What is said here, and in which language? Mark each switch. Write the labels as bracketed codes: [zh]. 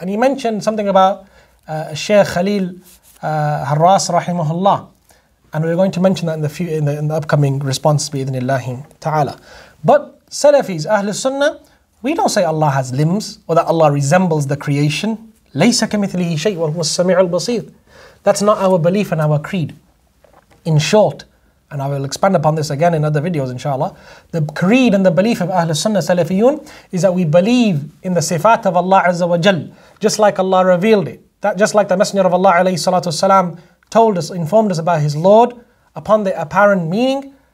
[en] And he mentioned something about Shaykh Khalil Harras rahimahullah. And we're going to mention that in the upcoming response bi-idhnillahi ta'ala. But Salafis, Ahl Sunnah, we don't say Allah has limbs or that Allah resembles the creation. [ar] ليس كمثله شيء وهو السميع البصير. [en] That's not our belief and our creed. In short, and I will expand upon this again in other videos, inshallah, the creed and the belief of Ahl Sunnah Salafiyun is that we believe in the sifat of Allah Azza wa Jal, just like Allah revealed it. That just like the Messenger of Allah alayhi salatu wasalam told us, informed us about his Lord upon the apparent meaning.